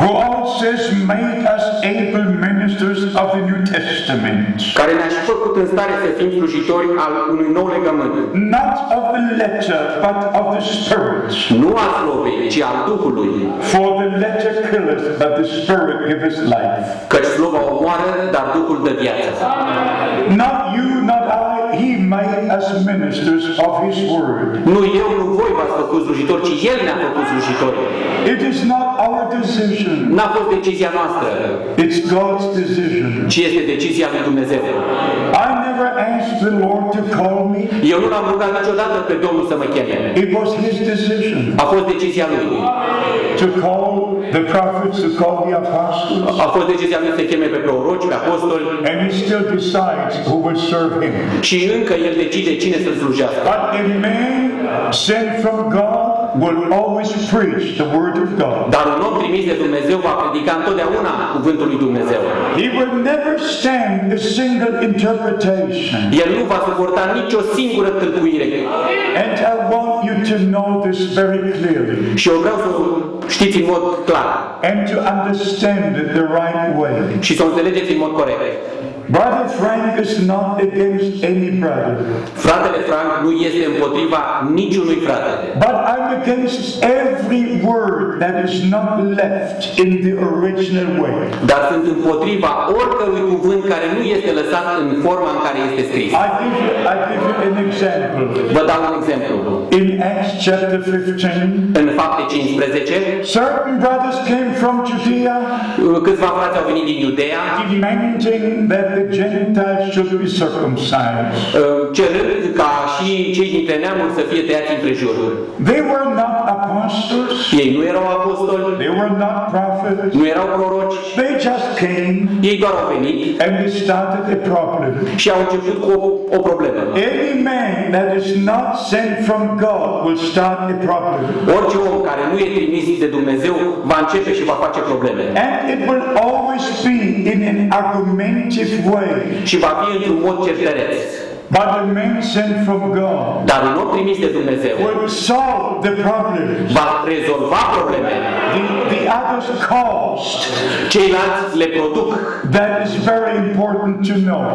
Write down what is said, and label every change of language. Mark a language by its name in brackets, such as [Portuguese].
[English] who also has made us able ministers of the New Testament. [Romanian] Care ne-a și făcut în stare să fim slujitori al unui nou legământ. [English] Not of the letter, but of the Spirit. [Romanian] Nu a slovei, ci al Duhului. [English] For the letter killeth, but the Spirit giveth life. [Romanian] Căci slova omoară, dar Duhul dă viață. [English] Not you, not I, he made us ministers of his word. [Romanian] Nu eu, nu voi v-ați făcut slujitori, ci el ne-a făcut slujitori. [English] It is not our decision. [Romanian] N-a fost decizia noastră. [English] It's God's decision. [Romanian] Ci este decizia lui Dumnezeu. [English] I never asked the Lord to call me. [Romanian] Eu nu l-am rugat niciodată pe Domnul să mă cheme. [English] It was his decision. [Romanian] A fost decizia lui. [English] To call the prophets, to call the apostles. [Romanian] A fost decizia lui să cheme pe proroci, pe apostoli. [English] And he still decides who will serve him. [Romanian] Și încă el decide cine să-l slujească. [English] But a man sent from God will always preach the word of God. [Romanian] Dar un om trimis de Dumnezeu va predica întotdeauna cuvântul lui Dumnezeu. [English] He will never stand a single interpretation. [Romanian] El nu va suporta nicio singură tâlcuire. [English] And I want you to know this very clearly. [Romanian] Și eu vreau să știți în mod clar. [English] And to understand it the right way. [Romanian] Și să o înțelegeți în mod corect. [English] Brother Frank is not against any brother. [Romanian] Fratele Frank nu este împotriva niciunui frate. [English] But I'm against every word that is not left in the original way. [Romanian] Dar sunt împotriva oricărui cuvânt care nu este lăsat în forma în care este scris. [English] I give you an example. [Romanian] Vă dau un exemplu. [English] In Acts chapter 15. [Romanian] În Fapte 15. [English] Certain brothers came from Judea. [Romanian] Câțiva frați au venit din Iudeea. [English] Demanding that the Gentiles should be circumcised. [Romanian] Cerând ca și cei dintre neamuri să fie tăiați împrejur. [English] They were not apostles. [Romanian] Ei nu erau apostoli. [English] They were not prophets. [Romanian] Nu erau proroci. [English] They just came. [Romanian] Ei doar au venit. [English] And they started a problem. [Romanian] Și au început cu o problemă. [English] Any man that is not sent from God will start a problem. [Romanian] Orice om care nu e trimis de Dumnezeu va începe și va face probleme. [English] And it will always be in an argumentative way. [Romanian] Și va fi într-un mod certăreț. [English] But the man sent from God. [Romanian] Dar un om primit de Dumnezeu. [English] Will solve the problems. [Romanian] Va rezolva probleme. [English] The others caused. [Romanian] Ceilalți le produc. [English] That is very important to know.